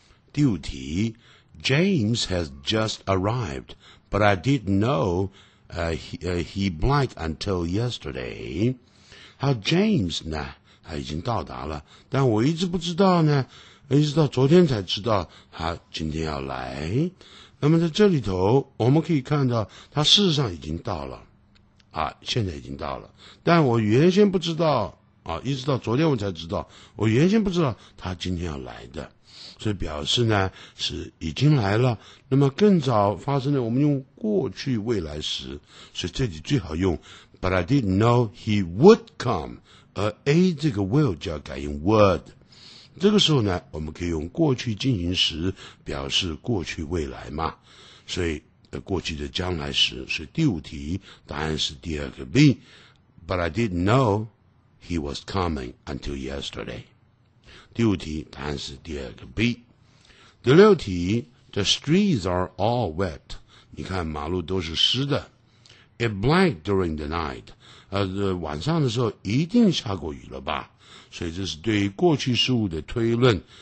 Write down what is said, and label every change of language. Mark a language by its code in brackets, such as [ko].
[zh] 第五题 [en] ，James has just arrived, but I didn't know he blank until yesterday。 [zh] 好 ，James 呢，他已经到达了，但我一直不知道呢，一直到昨天才知道他今天要来。那么在这里头，我们可以看到他事实上已经到了。啊，现在已经到了，但我原先不知道啊，一直到昨天我才知道，我原先不知道他今天要来的，所以表示呢是已经来了。那么更早发生的，我们用过去未来时，所以这里最好用 [en] But I didn't know he would come， [zh] 而 A 这个 will 就要改用 would。这个时候呢，我们可以用过去进行时表示过去未来嘛，所以。过去的将来时是第五题，答案是第二个 B。 [en] But I didn't know he was coming until yesterday 。 [zh] 第五题答案是第二个 B。第六题 ， [en] The streets are all wet。 [zh] 你看马路都是湿的。 [en] It blank during the night。 [zh] 晚上的时候一定下过雨了吧？所以这是对于过去事物的推论。